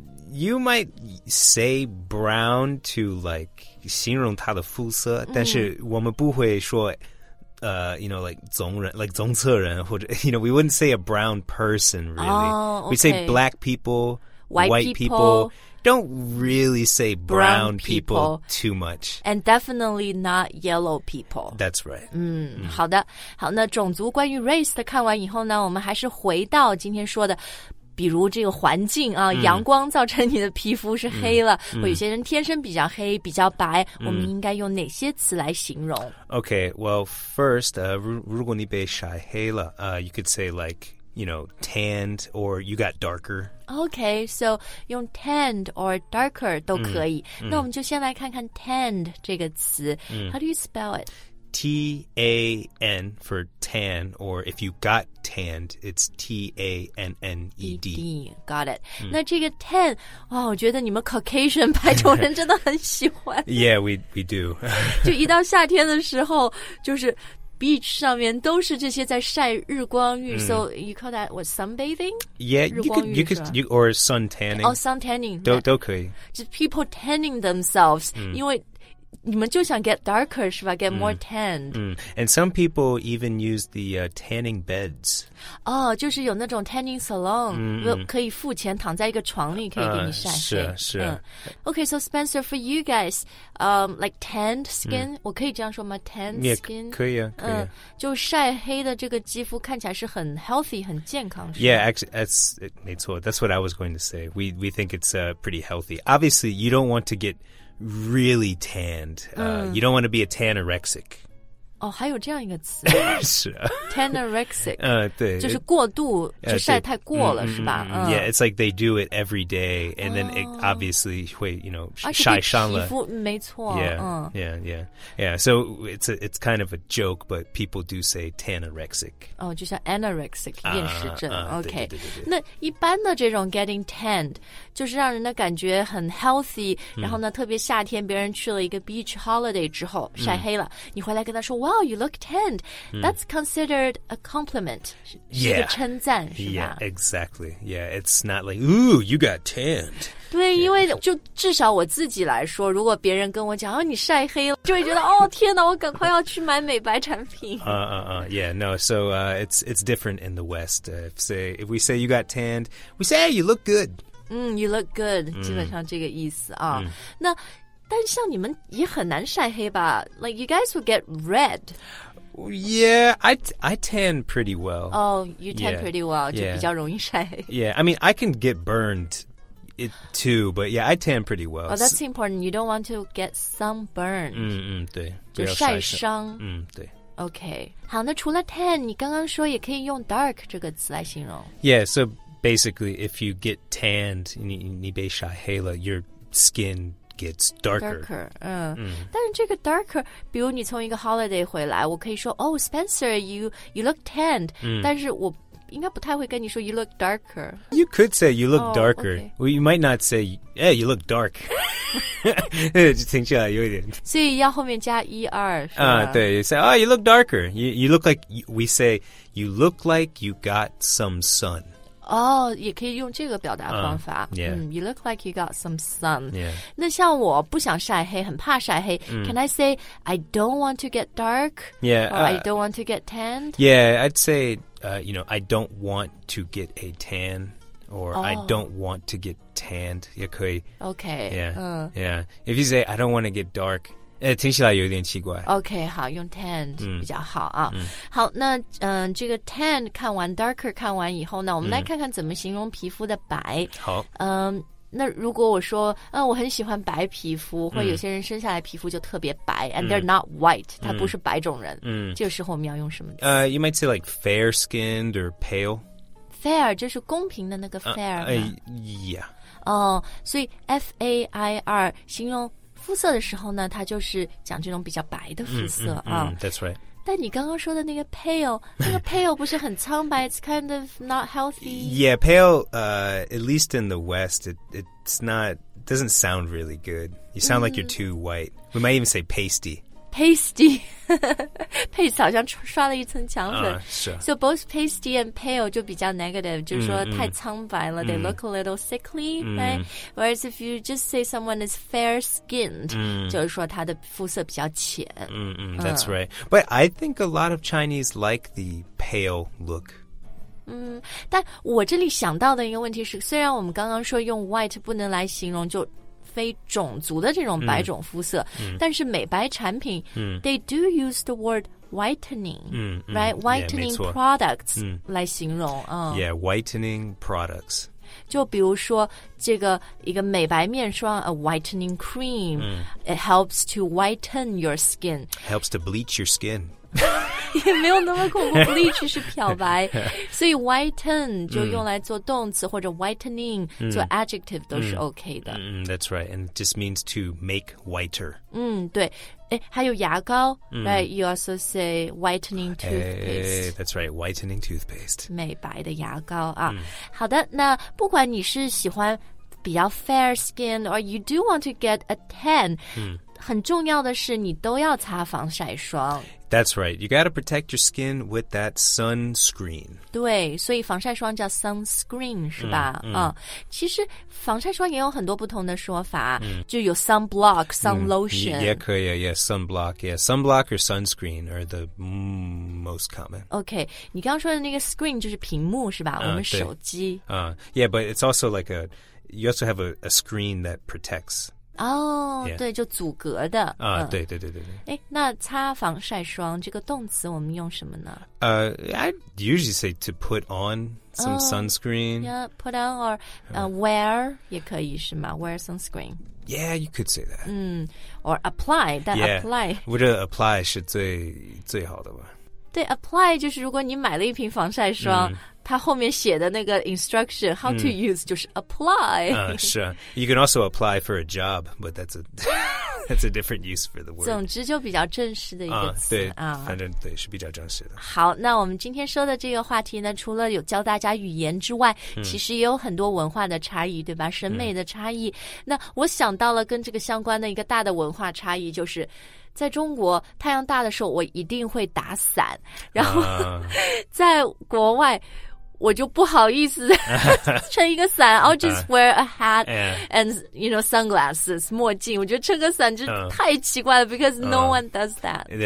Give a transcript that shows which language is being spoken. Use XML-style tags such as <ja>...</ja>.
<en>You might say brown to like</en> <zh>形容它的肤色，但是我们不会说。</zh> <en>You know, like</en> <zh>棕人</zh> <en>like</en> <zh>棕色人或者</zh> <en>you know, we wouldn't say a brown person really. Oh, okay. We say black people, white people. Don't really say brown people too much. And definitely not yellow people. That's right.</en> <zh>好的。好，那种族关于 race 的看完以后呢，我们还是回到今天说的，比如这个环境啊，阳光造成你的皮肤是黑了，或有些人天生比较黑，比较白，我们应该用哪些词来形容？</zh> <en>Okay, well, first,</en> <zh>如果你被晒黑了</zh> <en>you could say like... You know, tanned or you got darker. Okay, so 用 tanned or darker</en> <zh>都可以。那我们就先来看看 tanned 这个词。</zh> <en>How do you spell it? T-A-N for tan, or if you got tanned, it's T-A-N-N-E-D. Got it.</en> <zh>那这个 tan, 哇，我觉得你们 Caucasian 白种人真的很喜欢。</zh> <en>Yeah, we do.</en> <zh>就一到夏天的时候，就是Beach 上面都是这些在晒日光浴，</zh> <en>so you call that what sunbathing? Yeah, you could or sun tanning. Oh, sun tanning.</en> <zh>都可以。</zh> <en>Just people tanning themselves, 因为</en> <zh>你们就想</zh> <en>get darker,</en> <zh>是吧?</zh> <en>Get more tanned. And some people even use the tanning beds.</en> <zh>Oh, 就是有那种 tanning salon, 可以付钱躺在一个床里可以给你晒黑。是是。</zh> <en>Okay, so Spencer, for you guys, like tanned skin,</en> <zh>我可以这样说吗?</zh> <en>Tanned skin?</en> <zh>可以啊,可以啊。就晒黑的这个肌肤看起来是很 healthy, 很健康。</zh> <en>Yeah, actually,</en> <zh>没错,</zh> <en>that's what I was going to say. We think it's pretty healthy. Obviously, you don't want to get... really tanned. You don't want to be a tanorexic.</en> <zh>Oh, 还有这样一个词。是啊。</zh> <en>Tanorexic.</en> <zh>对。就是过度,就晒太过了,是吧?</zh> <en>Yeah, it's like they do it every day, and then it obviously 会, you know,</en> <zh>晒伤了。而且对皮肤,没错。</zh> <en>Yeah, yeah, yeah. Yeah, so it's kind of a joke, but people do say tanorexic.</en> <zh>Oh, 就像 anorexic, 厌食症。Okay. 那一般的这种 getting tanned,就是让人的感觉很 healthy, 然后呢特别夏天别人去了一个 beach holiday 之后晒黑了你回来跟他说</zh> <en>Wow, you look tanned. That's considered a compliment.</en> <zh>是一个称赞是吧</zh> <en>Yeah, exactly. Yeah, it's not like, ooh, you got tanned.</en> <zh>对、</zh> <en>yeah.</en> <zh>因为就至少我自己来说如果别人跟我讲、啊、你晒黑了就会觉得哦天哪我赶快要去买美白产品。</zh> <en>Yeah, no, so it's different in the West. If we say you got tanned, we say you look good. You look good,</en> <zh>基本上这个意思啊。那但像你们也很难晒黑吧</zh> <en>Like you guys would get red. Yeah, I tan pretty well. Oh, you tan pretty well,</en> <zh>就比较容易晒黑。</zh> <en>Yeah, I mean, I can get burned too, but yeah, I tan pretty well. Oh, that's important. You don't want to get sunburned.</en> <zh>对。就晒伤。对。</zh> <en>Okay.</en> <zh>好那除了 tan, 你刚刚说也可以用 dark 这个词来形容。</zh> <en>Yeah, so... Basically, if you get tanned,</en> <zh>你被晒黑了,</zh> <en>your skin gets darker.</en> <zh>Darker, 但是这个 darker, 比如你从一个 holiday 回来, 我可以说,</zh> <en>oh, Spencer, you look tanned.</en> <zh>但是我应该不太会跟你说</zh> <en>you look darker. You could say you look darker. Okay. Well, you might not say, yeah, you look dark.</en> <zh>听起来有一点。所以要后面加 er, 是吧? 对,</zh> <en>you say, oh, you look darker. You look like, we say, you look like you got some sun.</en> <zh>也可以用这个表达方法。</zh> <en>Yeah. You look like you got some sun. Yeah.</en> <zh>那像我不想晒黑，很怕晒黑。</zh> <en>Can I say I don't want to get dark? Yeah. Or I don't want to get tanned? Yeah, I'd say, you know, I don't want to get a tan. Or I don't want to get tanned.</en> <zh>也可以。</zh> <en>Okay. Yeah. Yeah. If you say I don't want to get dark.</en> <zh>听起来有点奇怪。 OK, 好用 tanned 比较好啊。好那这个 tanned 看完 darker 看完以后呢我们来看看怎么形容皮肤的白。好。那如果我说我很喜欢白皮肤或有些人生下来皮肤就特别白</zh> <en>and they're not white,</en> <zh>他不是白种人。这个时候我们要用什么</zh> <en>You might say like fair skinned or pale.</en> <zh>Fair, 就是公平的那个 fair.</zh> <en>Yeah.</en> <zh>所以 F-A-I-R, 形容肤色的时候呢它就是讲这种比较白的肤色啊。</zh> <en>That's right.</en> <zh>但你刚刚说的那个 pale, 那个 pale 不是很苍白</zh> <en>it's kind of not healthy. Yeah, pale, at least in the West, doesn't sound really good. You sound like you're too white. We might even say pasty. Pasty.</en> <zh>Paste 好像刷了一层墙粉。</zh> <en>So both pasty and pale 就比较 negative,</en> <zh>就是说太苍白了</zh> <en>they look a little sickly, right? Whereas if you just say someone is fair-skinned,</en> <zh>就是说他的肤色比较浅。</zh> <en>That's right. But I think a lot of Chinese like the pale look.</en> <zh>但我这里想到的一个问题是虽然我们刚刚说用 white 不能来形容就非种族的这种白种肤色但是美白产品</zh> <en>they do use the word whitening right? Whitening yeah,</en> <zh>products 来形容</zh> <en>Yeah, whitening products</en> <zh>就比如说这个一个美白面霜</zh> <en>a whitening cream it helps to whiten your skin helps to bleach your skin</en> <zh>也没有那么恐怖 bleach 是漂白所以 whiten 就用来做动词或者 whitening 做 adjective 都是 OK 的</zh> <en>That's right and just means to make whiter</en> <zh>对还有牙膏</zh> <en>right you also say whitening toothpaste that's right whitening toothpaste</en> <zh>美白的牙膏啊好的那不管你是喜欢比较 fair skin</zh> <en>or you do want to get a tan</en> <zh>很重要的是你都要擦防晒霜。</zh> <en>That's right. You got to protect your skin with that sunscreen.</en> <zh>对，所以防晒霜叫 sunscreen, 是吧？嗯、mm, mm. 其实防晒霜也有很多不同的说法、mm. 就有 sunblock, sunlotion.、</zh> <en>Mm, 也可以 yeah, sunblock, yeah. Sunblock or sunscreen are the most common.</en> <zh>Okay, 你刚刚说的那个 screen 就是屏幕是吧、我们手机。</zh> <en>Yeah, but it's also like you also have a screen that protects...</en> <zh>哦、oh, yeah. 对就阻隔的。对对对对。诶那擦防晒霜这个动词我们用什么呢</zh> <en>I usually say to put on some sunscreen. Yeah, put on or wear</en> <zh>也可以是吗</zh> <en>wear sunscreen. Yeah, you could say that. Or apply, that yeah, apply.</en> <zh>我觉得 apply 是最好的吧。对 apply 就是如果你买了一瓶防晒霜、mm. 它后面写的那个 instruction</zh> <en>how to use、</en> <zh>嗯、就是 apply、是啊</zh> <en>you can also apply for a job but that's a different use for the word</en> <zh>总之就比较正式的一个词、对、啊、反正对是比较正式的好那我们今天说的这个话题呢除了有教大家语言之外、其实也有很多文化的差异对吧审美的差异、那我想到了跟这个相关的一个大的文化差异就是在中国太阳大的时候我一定会打伞然后、在国外我就不好意思撑一个伞</zh> <en>I'll just wear a hat and you know sunglasses</en> <zh>墨镜我觉得撑个伞就太奇怪了</zh> <en>because no one does that</en>